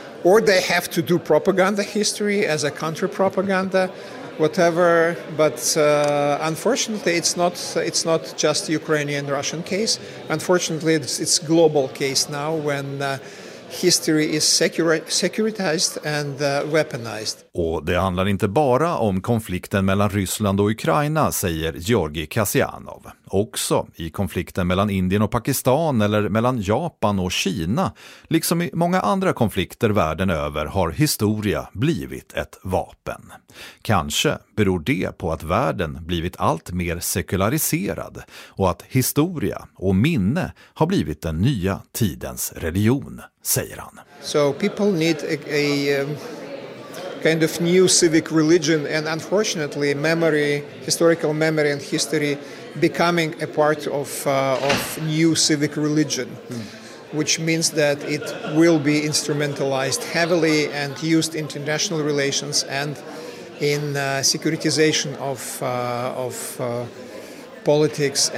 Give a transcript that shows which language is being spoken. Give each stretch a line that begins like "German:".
English: Or they have to do propaganda history as a counter-propaganda. Whatever, but unfortunately, it's not just Ukrainian-Russian case. Unfortunately, it's global case now when history is securitized and weaponized.
Swedish: Och det handlar inte bara om konflikten mellan Ryssland och Ukraina, säger Georgi Kasianov. Också i konflikten mellan Indien och Pakistan eller mellan Japan och Kina, liksom i många andra konflikter världen över, har historia blivit ett vapen. Kanske beror det på att världen blivit allt mer sekulariserad och att historia och minne har blivit den nya tidens religion, säger han.
English: So people need a kind of new civic religion, and unfortunately memory, historical memory and history becoming a part of new civic religion, which means that it will be instrumentalized heavily and used in international relations and in securitization of politics.